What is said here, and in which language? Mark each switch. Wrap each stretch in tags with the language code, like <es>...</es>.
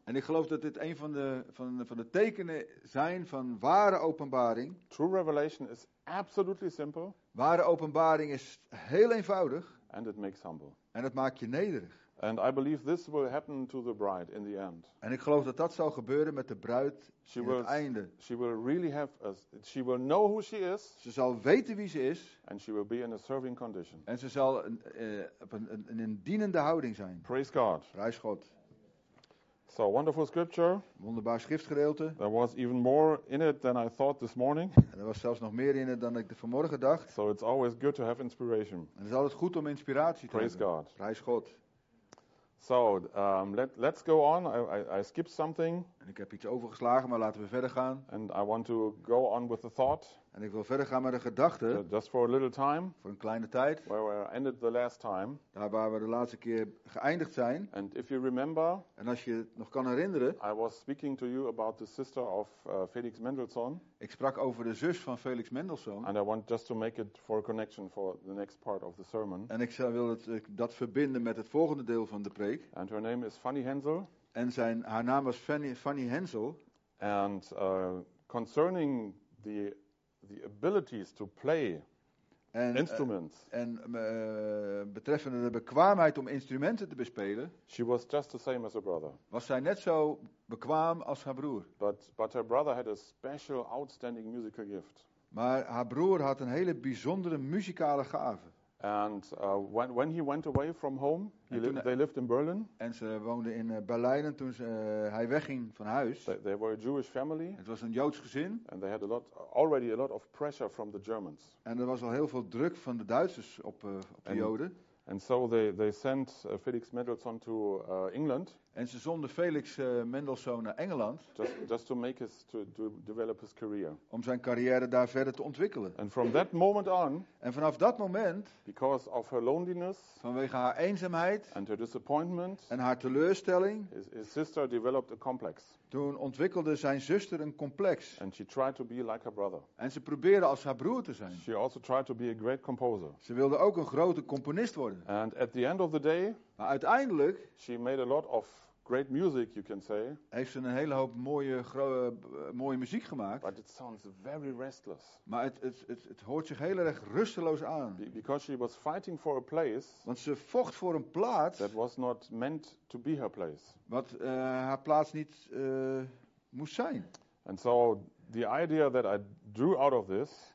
<nl>En ik geloof dat dit een van de tekenen zijn van ware openbaring.</nl> <en>True revelation is absolutely simple.</en> <nl>Ware openbaring is heel eenvoudig.</nl> <en>And it makes humble.</en> <nl>En het maakt je nederig.</nl> <en>And I believe this will happen to the bride in the end.</en> <nl>En ik geloof dat dat zal gebeuren met de bruid in het einde.</nl> <en>She will really have she will know who she is.</en> <nl>Ze zal weten wie ze is.</nl> <en>And she will be in a serving condition.</en> <nl>En ze zal een dienende houding zijn.</nl> <en>Praise God.</en> <nl>Prijs God.</nl> <en>So wonderful scripture.</en> <nl>Wonderbaar schriftgedeelte.</nl> <en>There was even more in it than I thought this morning.</en> <nl>Er was zelfs nog meer in het dan ik vanmorgen dacht.</nl> <en>So it's always good to have inspiration.</en> <nl>En het is altijd goed om inspiratie te</nl> <en>praise</en> <nl>hebben.</nl> <en>Praise God.</en> <nl>Prijs God.</nl> <en>So, let's go on. I skipped something.</en> <nl>En ik heb iets overgeslagen, maar laten we verder gaan.</nl> <en>And I want to go on with the thought.</en> <nl>En ik wil verder gaan met de gedachte.</nl> <en>Just for a little time.</en> <nl>Voor een kleine tijd.</nl> <en>Where we ended the last time.</en> <nl>Daar waar we de laatste keer geëindigd zijn.</nl> <en>And if you remember.</en> <nl>En als je het nog kan herinneren.</nl> <en>I was speaking to you about the sister of Felix Mendelssohn.</en> <nl>Ik sprak over de zus van Felix Mendelssohn.</nl> <en>And I want just to make it for a connection for the next part of the sermon.</en> <nl>En ik wil dat verbinden met het volgende deel van de preek.</nl> <en>And her name is Fanny Hensel.</en> <nl>En haar naam was Fanny Hensel.</nl> <en>And concerning the abilities to play and, instruments.</en> <nl>Betreffende de bekwaamheid om instrumenten te bespelen.</nl> <en>She was just the same as her brother.</en> <nl>Was zij net zo bekwaam als haar broer.</nl> <en>But her brother had a special outstanding musical gift.</en> <nl>Maar haar broer had een hele bijzondere muzikale gave.</nl> <en>And when he went away from home, they lived in Berlin.</en> <nl>En ze woonden in Berlijn en toen hij wegging van huis.</nl> <en>They were a Jewish family.</en> <nl>Het was een Joods gezin.</nl> <en>And they had already a lot of pressure from the Germans.</en> <nl>En er was al heel veel druk van de Duitsers op de Joden.</nl> <en>And so they sent Felix Mendelssohn to England.</en> <nl>En ze zonden Felix Mendelssohn naar Engeland.</nl> <en>Just to make his to develop his career.</en> <nl>Om zijn carrière daar verder te ontwikkelen.</nl> <en>And from that moment on.</en> <nl>En vanaf dat moment.</nl> <en>Because of her loneliness.</en> <nl>Vanwege haar eenzaamheid.</nl> <en>And her disappointment.</en> <nl>En haar teleurstelling.</nl> <en>His sister developed a complex.</en> <nl>Toen ontwikkelde zijn zuster een complex.</nl> <en>And she tried to be like her brother.</en> <nl>En ze probeerde als haar broer te zijn.</nl> <en>She also tried to be a great composer.</en> <nl>Ze wilde ook een grote componist worden.</nl> <en>And at the end of the day,</en> <nl>maar uiteindelijk,</nl> <en>she made a lot of great music, you can say.</en> <nl>Heeft ze een hele hoop mooie muziek gemaakt.</nl> <en>But it sounds very restless.</en> <nl>Maar het hoort zich heel erg rusteloos aan.</nl> <en>Because she was fighting for a place.</en> <nl>Want ze vocht voor een plaats.</nl> <en>That was not meant to be her place.</en> <nl>Wat haar plaats niet moest zijn.</nl> <en>And so the idea that I drew out of this.</en>